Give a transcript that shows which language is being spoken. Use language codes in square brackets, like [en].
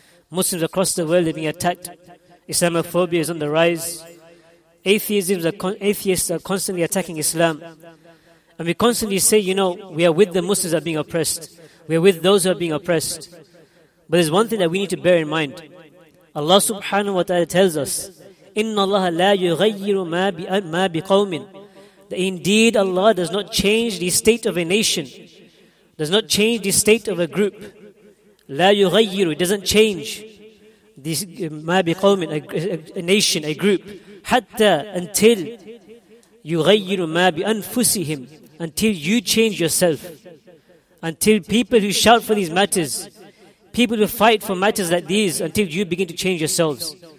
[en] Muslims across the world, they're being attacked. Islamophobia is on the rise. Atheists are constantly attacking Islam. And we constantly say, you know, we are with the Muslims that are being oppressed. We are with those who are being oppressed. But there's one thing that we need to bear in mind. Allah subhanahu wa ta'ala tells us, [ar] إِنَّ اللَّهَ لَا يُغَيِّرُ مَا بِقَوْمٍ. [en] That indeed Allah does not change the state of a nation, does not change the state of a group. [ar] لَا يُغَيِّرُ, [en] it doesn't change this, [ar] مَا بِقَوْمٍ, [en] a nation, a group. [ar] حَتَّى [en] until [ar] يُغَيِّرُ مَا بِأَنفُسِهِمْ, [en] until you change yourself, until people who shout for these matters, people who fight for matters like these, until you begin to change yourselves.